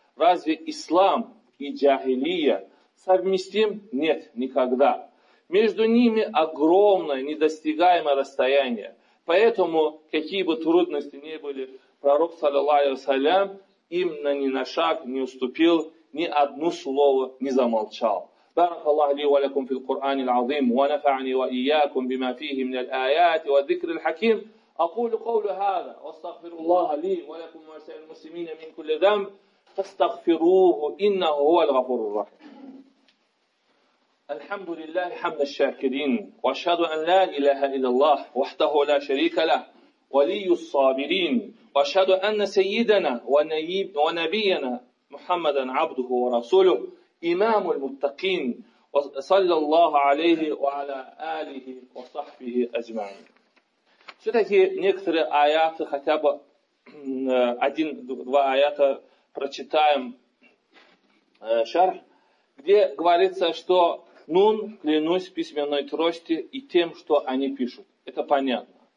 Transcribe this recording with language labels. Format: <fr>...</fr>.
<ru>Разве ислам и джахилия совместим? Нет, никогда. Между ними огромное, недостигаемое расстояние. Поэтому, какие бы трудности ни были, пророк, саллаллаху алейхи ва саллям, именно ни на шаг не уступил, ни одно слово не замолчал.</ru> <ar>بارك الله لي ولكم في القرآن العظيم ونفعني وإياكم بما فيه من الآيات والذكر الحكيم أقول قول هذا واستغفر الله لي ولكم ولسائر المسلمين من كل ذنب فاستغفروه إنه هو الغفور الرحيم الحمد لله حمد الشاكرين وأشهد أن لا إله إلا الله وحده لا شريك له ولي الصابرين وأشهد أن سيدنا ونبينا محمدا عبده ورسوله إمام المتقين صلى الله عليه وعلى آله وصحبه أجمعين.</ar> <ru>Все-таки некоторые аяты, хотя бы один-два аята прочитаем шарх, где говорится, что «Нун, клянусь письменной трости и тем, что они пишут». Это понятно.</ru>